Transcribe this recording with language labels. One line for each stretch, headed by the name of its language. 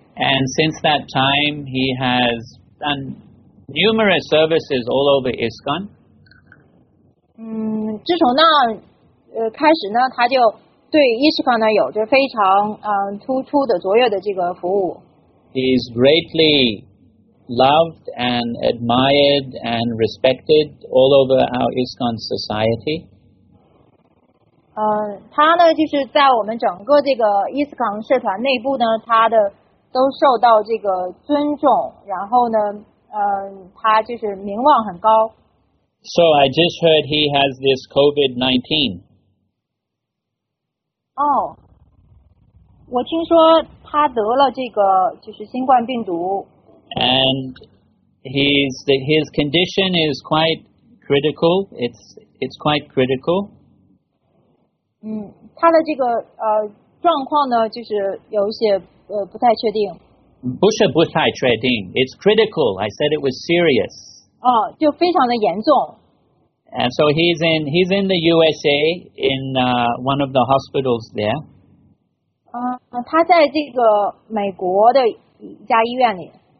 English: And since that time, he has done numerous services all over ISKCON.
Chinese: 自从那开始呢，他就对 ISKCON 呢有着非常突出的卓越的这个服务。
English: He is greatly loved and admired and respected all over our ISKCON society.
Chinese: 他呢就是在我们整个这个 ISKCON 社团内部呢，他的都受到这个尊重，然后呢，他就是名望很高。
English: So I just heard he has this COVID-19.
Chinese: 我听说他得了这个就是新冠病毒。
English: And his condition is quite critical. It's quite critical.
Chinese: 他的这个状况呢，就是有一些不太确定。不太确定。
English: It's critical. I said it was serious.
Chinese: 就非常的严重。
English: And so he's in the USA in one of the hospitals there.
Chinese: 他在这个美国的一家医院里。